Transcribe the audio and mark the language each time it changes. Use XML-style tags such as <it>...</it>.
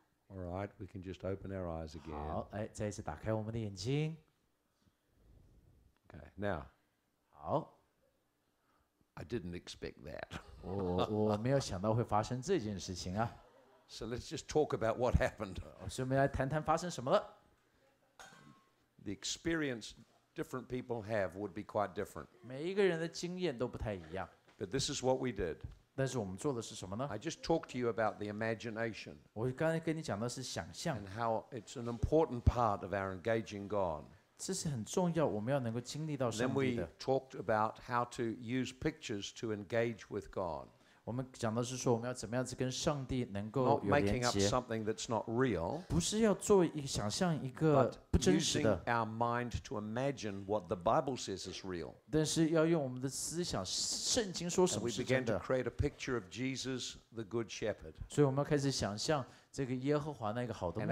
<en>All right, we can just open our eyes again.</en> <zh>好，哎，再一次打开我们的眼睛。</zh> <en>Okay, now.</en> <zh>好。</zh> <en>I didn't expect that.</en> <zh>我没有想到会发生这件事情啊。</zh> <en>So let's just talk about what happened.</en> <zh>所以我们来谈谈发生什么了。</zh> <en>The experience different people have would be quite different.</en> <zh>每一个人的经验都不太一样。</zh> <en>But this is what we did.</en> <zh>但是我们做的是什么呢?</zh> <en>I just talked to you about the imagination.</en> <zh>我刚才跟你讲的是想象。</zh> <en>And how it's an important part of our engaging God.</en> <zh>这是很重要, 我们要能够经历到上帝的。</zh> <en>Then we talked about how to use pictures to engage with God.</en> <zh>我们讲的是说我们要怎么样子跟上帝能够连接。</zh> <en>Not making up something that's not real.</en> <zh>不是要做一个想象一个。</zh> <en>Using our mind to imagine what the Bible says is real.</en> <zh>但是要用我们的思想，圣经说什么是真的。</zh> <en>We began to create a picture of Jesus, the Good Shepherd.</en> <zh>所以我们开始想象这个耶和华那个好的牧者。</zh>